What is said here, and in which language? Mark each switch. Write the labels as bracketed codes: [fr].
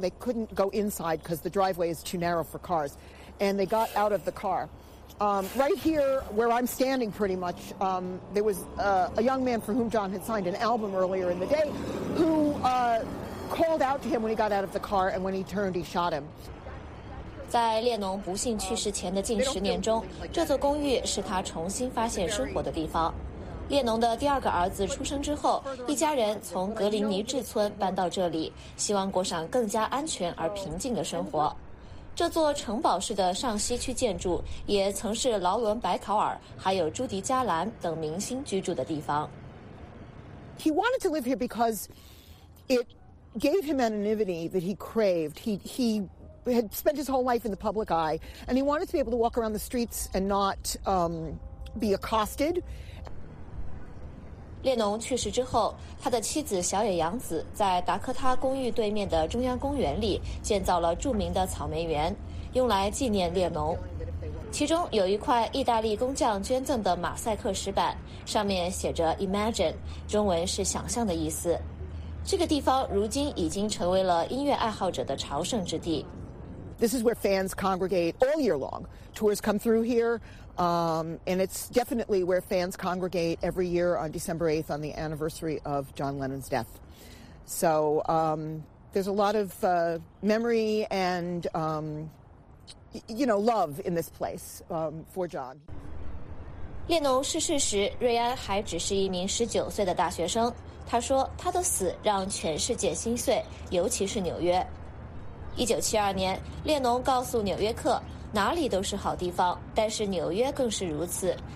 [en] They couldn't go inside because the driveway is too narrow for cars, and they got out of the car. Right here where I'm standing pretty much, there was a young man for whom John had signed an album earlier in the day who... called out to him when he got out of the car, and when he turned, he shot him. [zh] 在列侬不幸去世前的近十年中，这座公寓是他重新发现生活的地方。列侬的第二个儿子出生之后，一家人从格林尼治村搬到这里，希望过上更加安全而平静的生活。这座城堡式的上西区建筑也曾是劳伦·白考尔还有朱迪·加兰等明星居住的地方。 [en] He wanted to live here because it gave him anonymity that he craved. He had spent his whole life in the public eye, and he wanted to be able to walk around the streets and not be accosted. [zh] 列侬去世之后，他的妻子小野洋子在达科他公寓对面的中央公园里建造了著名的草莓园，用来纪念列侬。其中有一块意大利工匠捐赠的马赛克石板，上面写着 "Imagine"， 中文是“想象”的意思。这个地方如今已经成为了音乐爱好者的朝圣之地。 [en] This is where fans congregate all year long. Tours come through here, and it's definitely where fans congregate every year on December 8th on the anniversary of John Lennon's death. So there's a lot of memory and you know love in this place for John. [zh] 列侬逝世时，瑞安还只是一名19岁的大学生。他说他的死让全世界心碎，尤其是纽约。 1972年，列侬告诉纽约客，哪里都是好地方，但是纽约更是如此。